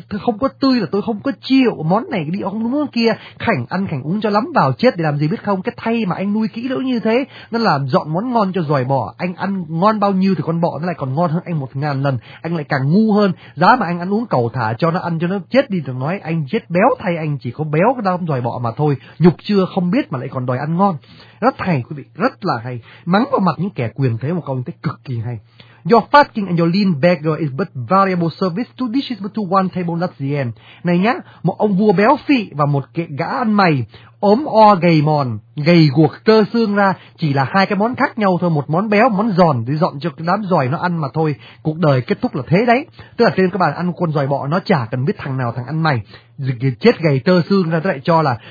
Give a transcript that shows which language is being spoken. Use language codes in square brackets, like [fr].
[vi] không có tươi là tôi không có chịu, món này đi không đúng món kia, khảnh ăn khảnh uống cho lắm vào chết để làm gì biết không, cái thay mà anh nuôi kỹ lưỡng như thế nó làm dọn món ngon cho giòi bò, anh ăn ngon bao nhiêu thì con bò nó lại còn ngon hơn anh 1000 lần, anh lại càng ngu hơn, giá mà anh ăn uống cầu thả cho nó ăn cho nó chết đi thì nói anh chết béo thay anh chỉ có béo cái đám giòi bò mà thôi, nhục chưa không biết mà lại còn đòi ăn ngon. Rất hay quý vị, rất là hay. Mắng vào mặt những kẻ quyền thế một câu như thế cực kỳ hay. [en] Your fasting and your lean beggar is but variable service, two dishes but to one table, that's the end. [vi] Này nhá, một ông vua béo phì và một kẻ gã ăn mày, ốm o gầy mòn, gầy guộc trơ xương ra, chỉ là hai cái món khác nhau thôi, một món béo, một món giòn để dọn cho cái đám giòi nó ăn mà thôi. Cuộc đời kết thúc là thế đấy. Tức là trên các bạn ăn con giòi bọ nó chả cần biết thằng nào thằng ăn mày, chết gầy trơ xương ra lại cho là.